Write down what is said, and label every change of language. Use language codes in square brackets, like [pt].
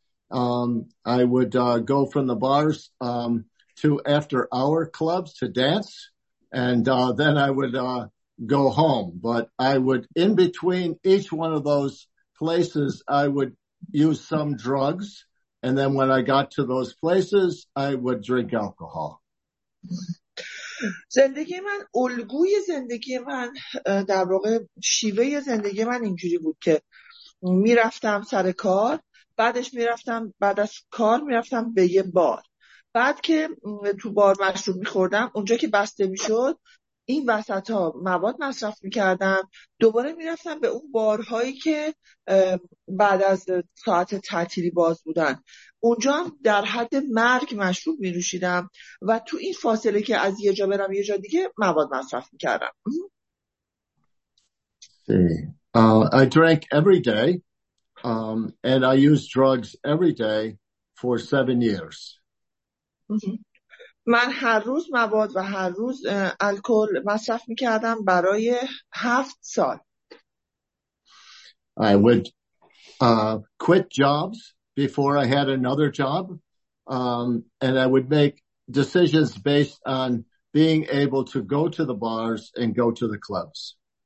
[en] I would go from the bars to after hour clubs to dance. And then I would go home. But I would, in between each one of those places, I would use some drugs. And then when I got to those places, I would drink alcohol. [fa] زندگی من، الگوی زندگی من، در واقع شیوه زندگی من اینجوری بود که میرفتم سر کار، بعدش میرفتم، بعد از کار میرفتم به یه بار. بعد که تو بار مشروب میخوردم، اونجا که بسته میشد این وسط ها مواد مصرف میکردم، دوباره میرفتم به اون بارهایی که بعد از ساعت تعطیلی باز بودن، اونجا هم در حد مرگ مشروب میروشیدم و تو این فاصله که از یه جا برم یه جا دیگه مواد مصرف میکردم. [en] I drank every day and I used drugs every day for 7 years. [fa] من هر روز مواد و هر روز الکل مصرف میکردم برای 7 سال. [en] I would quit jobs before I had another job, and I would make decisions based on being able to go to the bars and go to the clubs.